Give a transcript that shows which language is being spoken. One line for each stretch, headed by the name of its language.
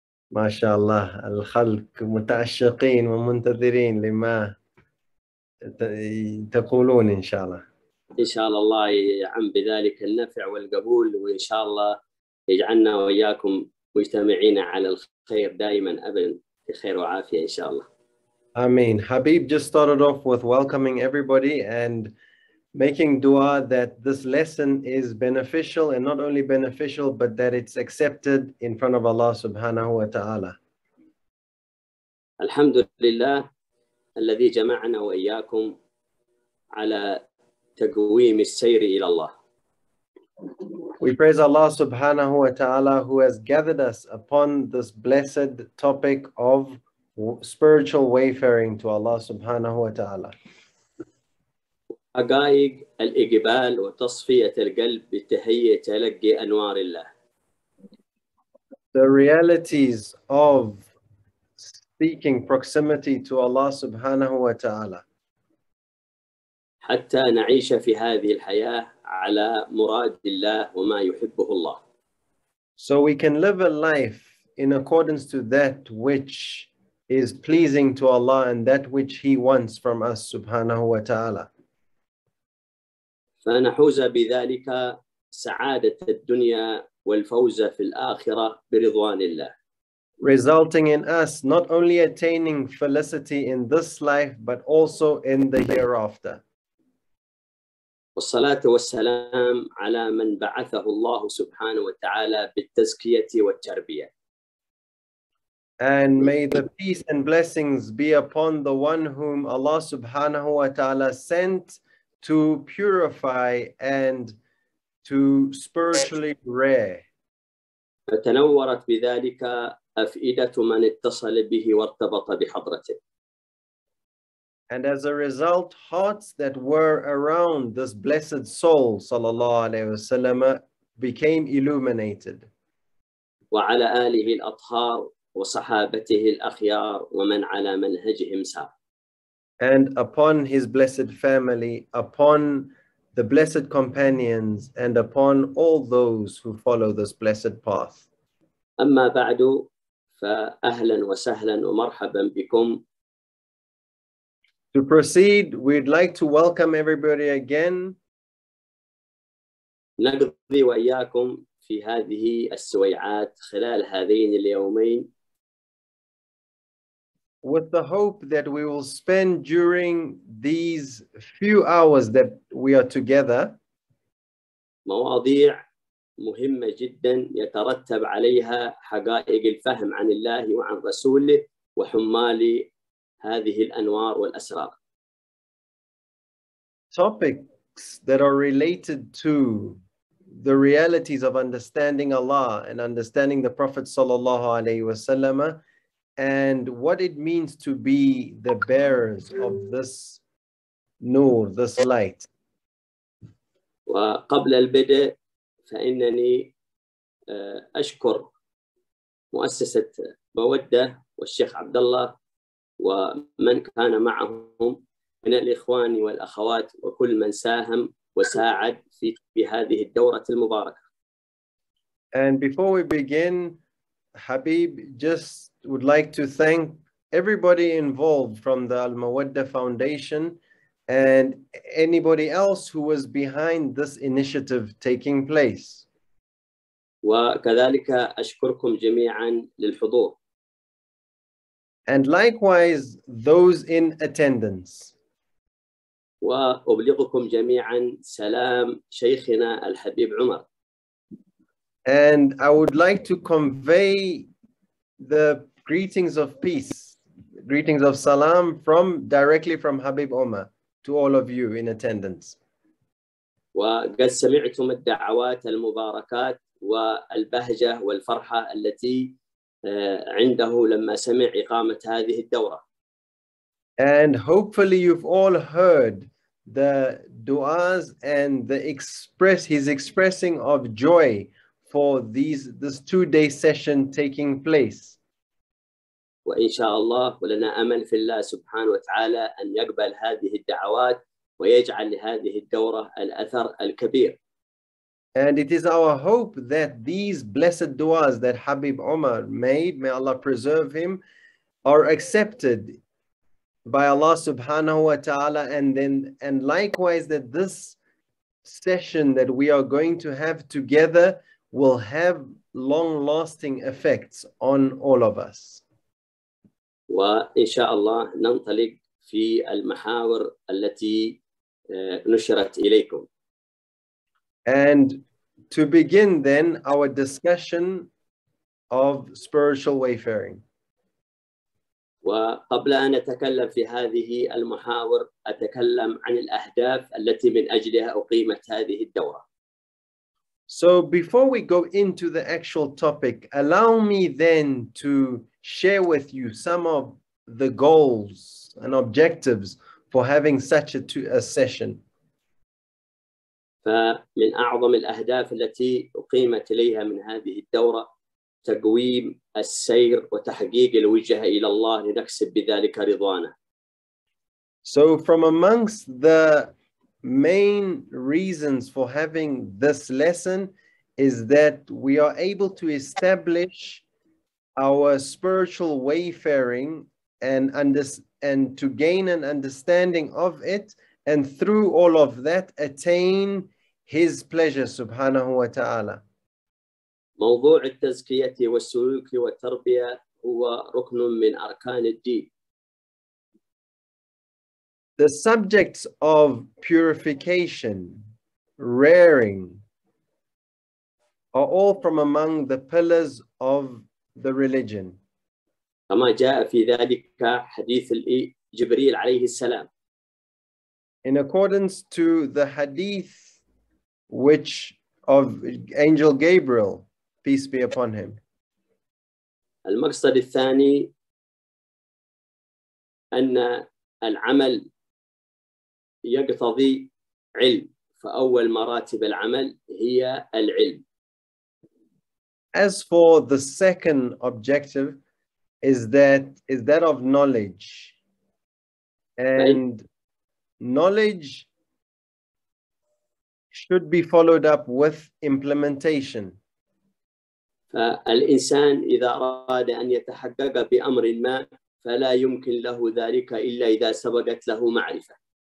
Arabic: ما شاء الله، الخلق متعشقين ومنتظرين لما تقولون إن شاء الله. إن شاء الله، الله يعم بذلك النفع والقبول، وإن شاء الله يجعلنا وإياكم مجتمعين على الخير دائماً أبداً، في خير وعافية إن شاء الله.
English: I mean, Habib just started off with welcoming everybody and making dua that this lesson is beneficial, and not only beneficial, but that it's accepted in front of Allah subhanahu wa ta'ala.
Arabic: الحمد لله الذي جمعنا وإياكم على تقويم السير إلى الله.
English: We praise Allah subhanahu wa ta'ala who has gathered us upon this blessed topic of spiritual wayfaring to Allah subhanahu wa ta'ala.
Arabic: حقائق الإقبال وتصفية القلب بتهيئة تلقي أنوار الله.
English: The realities of speaking proximity to Allah subhanahu wa ta'ala.
Arabic: حتى نعيش في هذه الحياة على مراد الله وما يحبه الله.
English: So we can live a life in accordance to that which is pleasing to Allah and that which He wants from us subhanahu wa ta'ala.
Arabic: فنحوز بذلك سعادة الدنيا والفوز في الآخرة برضوان الله.
English: Resulting in us not only attaining felicity in this life but also in the hereafter.
Arabic: والصلاة والسلام على من بعثه الله سبحانه وتعالى بالتزكية والتربية.
English: And may the peace and blessings be upon the one whom Allah subhanahu wa ta'ala sent to purify and to spiritually rear.
Arabic: فتنورت بذلك أفئدة من اتصل به وارتبط بحضرته.
English: And as a result, hearts that were around this blessed soul, sallallahu alayhi wa sallam, became illuminated.
Arabic: وعلى آله الأطهار وصحابته الأخيار ومن على منهجهم سار.
English: And upon his blessed family, upon the blessed companions, and upon all those who follow this blessed path.
Arabic: أما بعد فأهلا وسهلا ومرحبا بكم.
English: To proceed, we'd like to welcome everybody again.
Arabic: نقضي وإياكم في هذه السويعات خلال هذين اليومين.
English: With the hope that we will spend during these few hours that we are together.
Arabic: مواضيع مهمة جدا يترتب عليها حقائق الفهم عن الله وعن رسوله وحمال هذه الأنوار والأسرار.
English: Topics that are related to the realities of understanding Allah and understanding the Prophet sallallahu alayhi wa sallam, and what it means to be the bearers of this nur, this light.
Arabic: وقبل البدء فإنني أشكر مؤسسة بودة والشيخ عبد الله ومن كان معهم من الإخوان والأخوات وكل من ساهم وساعد في هذه الدورة المباركة.
English: And before we begin, Habib, just would like to thank everybody involved from the Al-Mawadda Foundation and anybody else who was behind this initiative taking place.
Arabic: وكذلك أشكركم جميعا للحضور.
English: And likewise, those in attendance.
Arabic: وأبلغكم جميعا سلام شيخنا الحبيب عمر.
English: And I would like to convey the greetings of peace, greetings of salam from directly from Habib Omar to all of you in attendance.
Arabic: وقد سمعتم الدعوات المباركات والبهجة والفرحة التي عنده لما سمع إقامة هذه الدورة.
English: And hopefully you've all heard the du'as and his expressing of joy for this two-day session taking place.
Arabic: وإن شاء الله ولنا أمل في الله سبحانه وتعالى أن يقبل هذه الدعوات ويجعل لهذه الدورة الأثر الكبير.
English: And it is our hope that these blessed du'as that Habib Omar made, may Allah preserve him, are accepted by Allah subhanahu wa ta'ala, and likewise that this session that we are going to have together will have long-lasting effects on all of us.
Arabic: وإن شاء الله ننطلق في المحاور التي نشرت إليكم.
English: And to begin then our discussion of spiritual wayfaring.
Arabic: وقبل أن أتكلم في هذه المحاور أتكلم عن الأهداف التي من أجلها أقيمت هذه الدورة.
English: So before we go into the actual topic, allow me then to share with you some of the goals and objectives for having such a session.
Arabic: فمن أعظم الأهداف التي أقيمت إليها من هذه الدورة تقويم السير وتحقيق الوجهة إلى الله لنكسب بذلك رضوانه.
English: So from amongst the main reasons for having this lesson is that we are able to establish our spiritual wayfaring and to gain an understanding of it, and through all of that attain His pleasure subhanahu wa ta'ala.
Arabic: موضوع التزكية والسلوك والتربية هو ركن من أركان الدين.
English: The subjects of purification, rearing, are all from among the pillars of the religion.
Arabic: كما جاء في ذلك حديث جبريل عليه السلام.
English: In accordance to the hadith which of Angel Gabriel, peace be upon him.
Arabic: المقصد الثاني أن العمل يقتضي علم، فأول مراتب العمل هي العلم.
English: As for the second objective, is that of knowledge. And knowledge should be followed up with implementation.
Arabic: فالإنسان إذا أراد أن يتحقق بأمر ما فلا يمكن له ذلك إلا إذا سبقت له معرفة.